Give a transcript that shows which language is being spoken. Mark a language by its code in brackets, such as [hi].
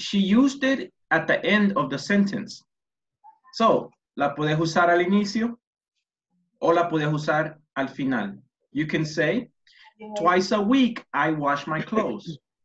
[en] She used it at the end of the sentence. [es] So, la puedes usar al inicio o la puedes usar al final. [en] You can say, twice a week, I wash my clothes.